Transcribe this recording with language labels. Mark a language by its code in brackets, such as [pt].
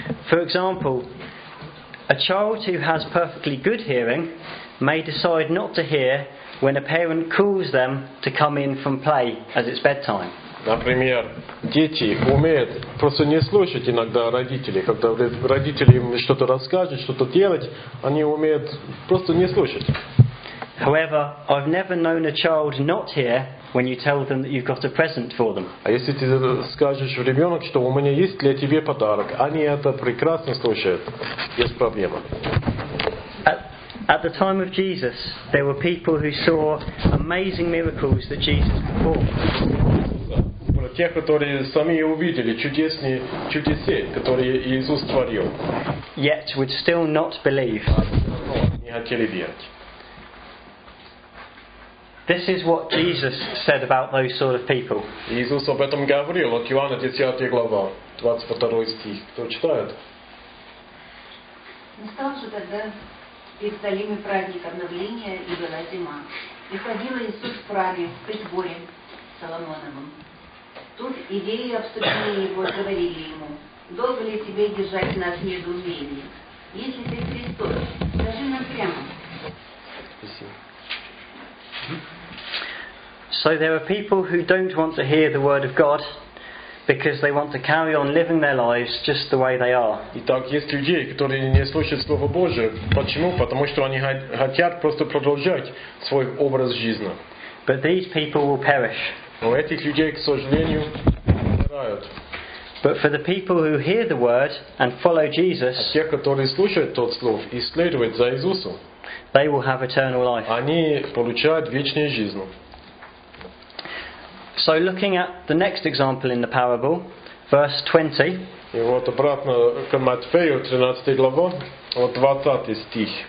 [en] For example, a child who has perfectly good hearing may decide not to hear when a parent calls them to come in from play as it's bedtime. [ru] Например, дети умеют просто не слушать иногда родителей. Когда родители им что-то расскажут, что-то делать, они умеют просто не слушать. [en] However, I've never known a child not hear when you tell them that you've got a present for them. [ru] А если ты скажешь ребенок, что у меня есть для тебя подарок, они это прекрасно слушают, без проблем. [en] At the time of Jesus, there were people who saw amazing miracles that Jesus performed. [ru] Те, которые сами увидели чудесные чудеса, которые Иисус творил. [en] Yet would still not believe. [ru] Не хотели верить. [en] This is what Jesus said about those sort of people. [ru] Иисус об этом говорил, от Иоанна 10 глава, 22 стих. Кто читает? Настал же тогда из долины праздник обновления, и была зима. И ходил Иисус в праве, в притворе Соломоновом. Тут идеи обступили его, говорили ему, долго ли тебе держать нас в недоумении? Если ты Христос, скажи нам прямо. Спасибо. [en] So there are people who don't want to hear the word of God because they want to carry on living their lives just the way they are. [ru] Итак, есть люди, которые не слушают Слово Божие. Почему? Потому что они хотят просто продолжать свой образ жизни. [en] But these people will perish. [ru] У этих людей, к сожалению, умирают. [en] But for the people who hear the word and follow Jesus, [ru] а те, которые слушают тот слово и следуют за Иисусом, [en] they will have eternal life. [ru] Они получают вечную жизнь. [en] So looking at the next example in the parable, verse 20. [ru] И вот обратно к Матфею, 13 главу, вот 20 стих.